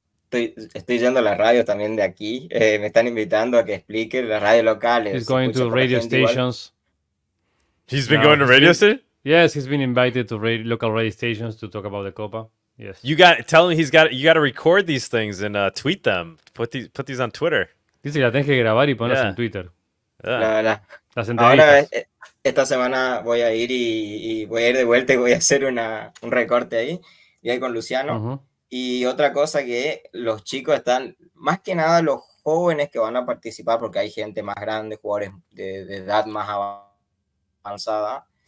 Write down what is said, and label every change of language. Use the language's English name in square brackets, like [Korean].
[Spanish] Estoy yendo a la radio también de aquí. Me están invitando a que explique las radios locales. [English] He's going to radio stations. He's been going to radio stations? Yes, he's been invited to local radio stations to talk about the Copa. Yes, you got tell him he's got. You got to record these things and tweet them. Put these on Twitter. [Spanish] Dice que la tienes que grabar y ponerlas en Twitter. Ahora esta semana voy a ir y voy a ir de vuelta y voy a hacer un recorte ahí y ahí con Luciano. Uh-huh. Y otra cosa que los chicos están más que nada los jóvenes que van a participar porque hay gente más grande, jugadores de edad más avanzada.